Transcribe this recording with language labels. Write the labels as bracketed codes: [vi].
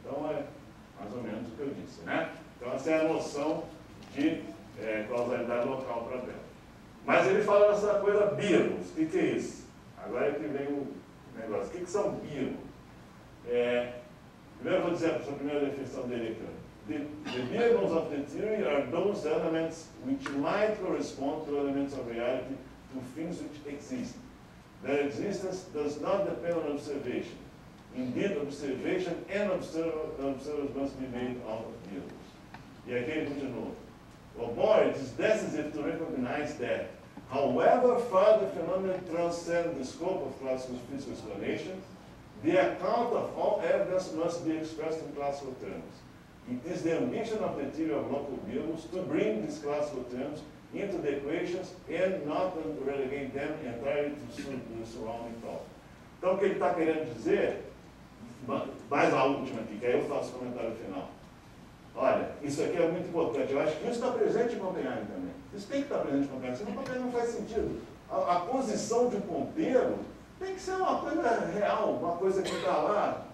[pt] Então, é mais ou menos o que eu disse, né? Então, essa é a noção de causalidade local para a Terra. Mas ele fala dessa coisa beetles. O que é isso? Agora é que vem o negócio. O que são beetles? Primeiro, eu vou dizer a sua primeira definição dele aqui. [en] The beetles of the theory are those elements which might correspond to elements of reality to things which exist. Their existence does not depend on observation. Indeed, observation and observers must be made out of beetles. [pt] E aqui ele continua. [en] Well, more, it is decisive to recognize that, however far the phenomenon transcends the scope of classical physical explanation, the account of all evidence must be expressed in classical terms. It is the ambition of the theory of local beetles to bring these classical terms into the equations and not to relegate them entirely to the surrounding thought. [pt] Então, o que ele está querendo dizer, mais a última aqui, que aí eu faço o comentário final. Olha, isso aqui é muito importante. Eu acho que isso está presente em Copenhague também. Isso tem que estar presente em Copenhague, senão Copenhague não faz sentido. A posição de um ponteiro tem que ser uma coisa real, uma coisa que está lá.